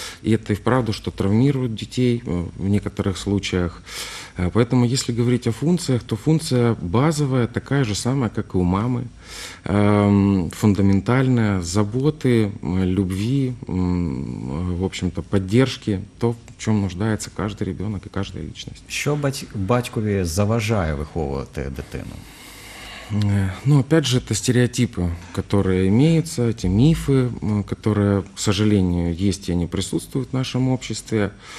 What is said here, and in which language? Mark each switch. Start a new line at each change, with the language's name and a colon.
Russian: И это и вправду, что травмирует детей в некоторых случаях. Поэтому если говорить о функциях, то функция базовая, такая же самая, как и у мамы. Фундаментальная заботы, любви, в общем-то, поддержки, то, в чем нуждается каждый ребенок и каждая личность.
Ukrainian: Что батькові заважає виховувати дитину?
Russian: Ну, опять же, это стереотипы, которые имеются, эти мифы, которые, к сожалению, есть и они присутствуют в нашем обществе.